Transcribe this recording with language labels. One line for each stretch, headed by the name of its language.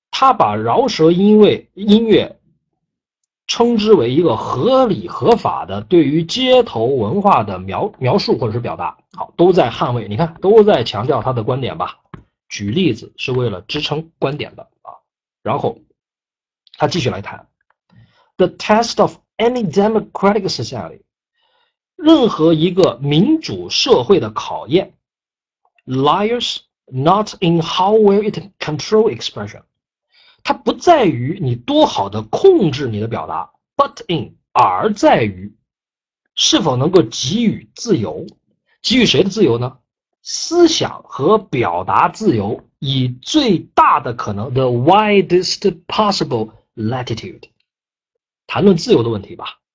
Chinese: 他把饶舌音乐称之为一个合理合法的对于街头文化的描述或者是表达，好，都在捍卫，你看都在强调他的观点吧。举例子是为了支撑观点的啊。
English: 然后他继续来谈，The test of any democratic society，
Chinese: 任何一个民主社会的考验，
English: lies not in how well it control expression。
Chinese: 它不在于你多好的控制你的表达，
English: but in，
Chinese: 而在于是否能够给予自由，给予谁的自由呢？思想和表达自由，以最大的可能，
English: the widest possible latitude，
Chinese: 谈论自由的问题吧。